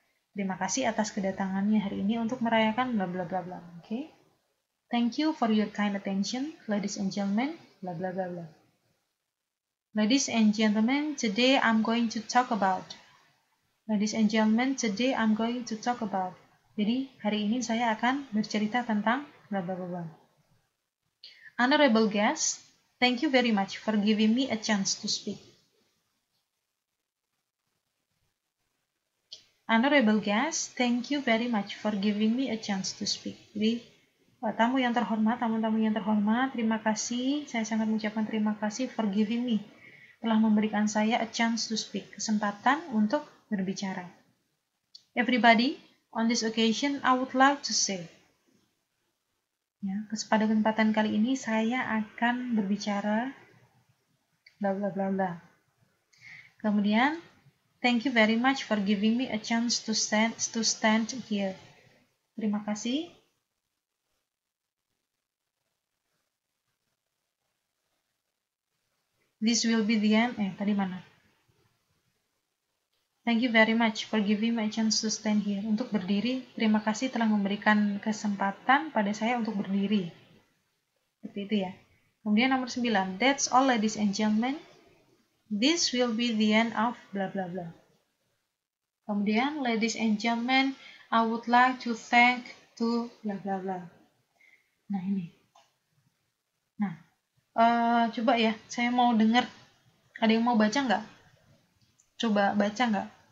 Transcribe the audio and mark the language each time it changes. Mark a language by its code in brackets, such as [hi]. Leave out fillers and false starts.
[id] Terima kasih atas kedatangannya hari ini untuk merayakan bla bla bla bla. Oke? Okay? [en] Thank you for your kind attention, ladies and gentlemen, bla bla bla bla. Ladies and gentlemen, today I'm going to talk about. Ladies and gentlemen, today I'm going to talk about. [id] Jadi, hari ini saya akan bercerita tentang bla bla bla bla. [en] Honorable guests, thank you very much for giving me a chance to speak. Honorable guests, thank you very much for giving me a chance to speak. [id] Jadi, tamu yang terhormat, tamu-tamu yang terhormat, terima kasih. Saya sangat mengucapkan terima kasih [en] for giving me. [id] Telah memberikan saya [en] a chance to speak. [id] Kesempatan untuk berbicara. [en] Everybody, on this occasion, I would like to say. [id] Ya, pada kesempatan kali ini saya akan berbicara bla bla bla bla. Kemudian, [en] thank you very much for giving me a chance to stand here. [id] Terima kasih. [en] This will be the end. [id] Tadi mana? [en] Thank you very much for giving me a chance to stand here. [id] Untuk berdiri, terima kasih telah memberikan kesempatan pada saya untuk berdiri. Seperti itu ya. Kemudian nomor 9. [en] That's all, ladies and gentlemen. This will be the end of bla bla bla. [id] Kemudian, [en] ladies and gentlemen, I would like to thank to bla bla bla. [id] Nah, ini. Nah, coba ya, saya mau dengar. Ada yang mau baca nggak? Coba baca nggak?